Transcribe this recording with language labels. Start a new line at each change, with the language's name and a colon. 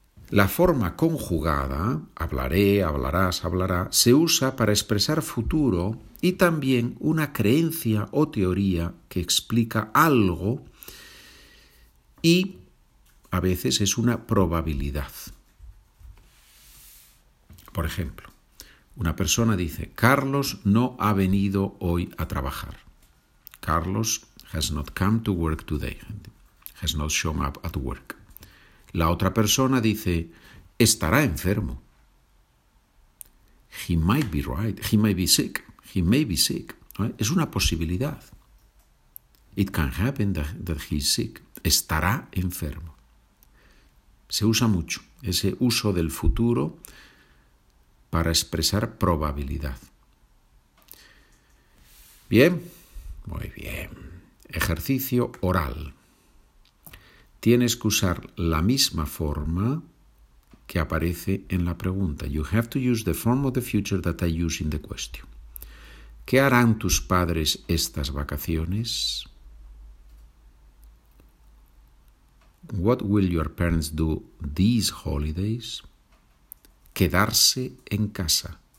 Spanish: La forma conjugada, hablaré, hablarás, hablará, se usa para expresar futuro y también una creencia o teoría que explica algo y a veces es una probabilidad. Por ejemplo, una persona dice, Carlos no ha venido hoy a trabajar.
English: Carlos has not come to work today, has not shown up at work.
Spanish: La otra persona dice, estará enfermo.
English: He might be right. He might be sick. He may be sick.
Spanish: Es una posibilidad.
English: It can happen that he's sick.
Spanish: Estará enfermo. Se usa mucho ese uso del futuro para expresar probabilidad. Bien. Muy bien. Ejercicio oral. Tienes que usar la misma forma que aparece en la pregunta.
English: You have to use the form of the future that I use in the question.
Spanish: ¿Qué harán tus padres estas vacaciones?
English: What will your parents do these holidays?
Spanish: Quedarse en casa.